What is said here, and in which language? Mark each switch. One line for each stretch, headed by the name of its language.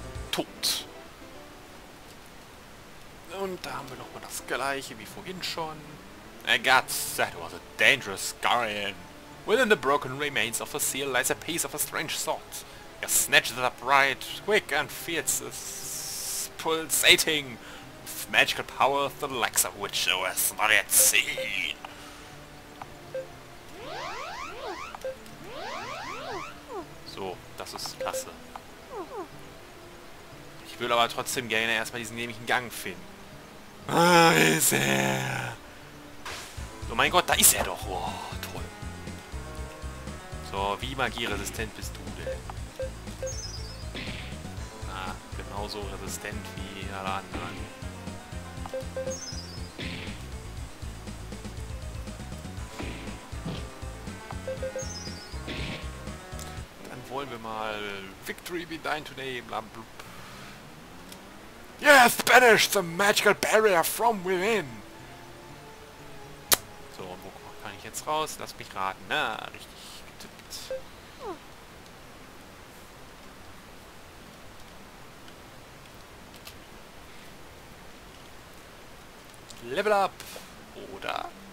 German: Tot. Und da haben wir nochmal das gleiche wie vorhin schon.
English: A god, that was a dangerous scion. Within the broken remains of a seal lies a piece of a strange sort. You snatch it upright, quick and fierce, pulsating with magical power, the likes of which thou hast not yet seen.
German: So, das ist klasse. Ich will aber trotzdem gerne erstmal diesen nämlichen Gang finden. Ah, ist er! Oh mein Gott, da ist er doch! Oh, toll! So, wie magieresistent bist du denn? Ah, genauso resistent wie alle anderen. Dann wollen wir mal
English: Victory be thine today,
German: blablub.
English: Yes, banish the magical barrier from within!
German: So, wo kann ich jetzt raus? Lass mich raten. Na, richtig getippt. Level up! Oder?